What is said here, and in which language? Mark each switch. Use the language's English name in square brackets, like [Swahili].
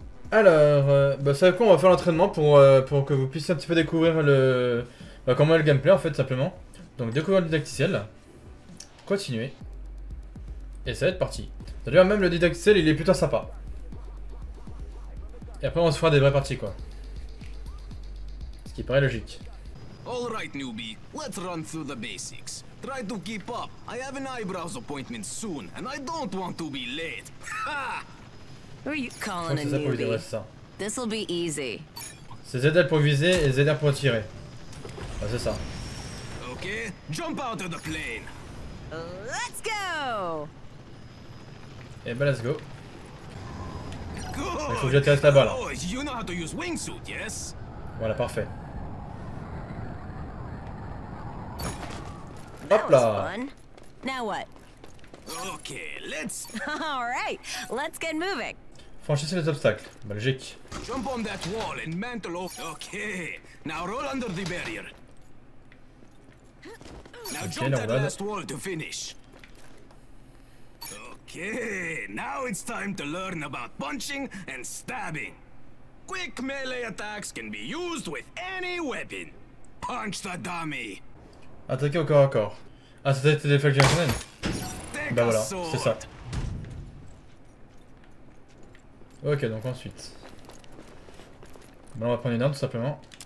[French] Alors, ça va quoi, on va faire l'entraînement pour que vous puissiez un petit peu découvrir le. Comment est le gameplay en fait, simplement. Donc, découvrir le didacticiel. Continuer. Et ça va être parti. D'ailleurs, même le didacticiel, il est plutôt sympa. Et après, on se fera des vraies parties, quoi. Ce qui paraît logique. [English] All right, newbie, let's run through the basics. Try to keep up. I have an eyebrows appointment soon, and I don't want to be late. Who are you calling a newbie? This will be easy. [French] C'est ZL pour viser et ZR pour tirer. Ah, c'est ça. [English] Okay, jump out of the plane. Let's go. [French] Eh ben, [English] let's go. Good. [French] Il faut que j'atterrisse là-bas, là. [English] Oh, you know how to use wingsuit, yes? [French] Voilà, parfait. Hop là. [English] Now what? Okay, let's. All right, let's get moving. [French] Franchissez les obstacles. Bah, logique. [English] Jump on that wall and mantle off. Okay, now roll under the barrier. Now okay, jump that last wall to finish. Okay, now it's time to learn about punching and stabbing. Quick melee attacks can be used with any weapon. Punch the dummy. [French] Attaquer au corps à corps. Ah, c'était des flèches de Jensen. Bah voilà, c'est ça. Ok, donc ensuite. Bon, on va prendre une arme tout simplement.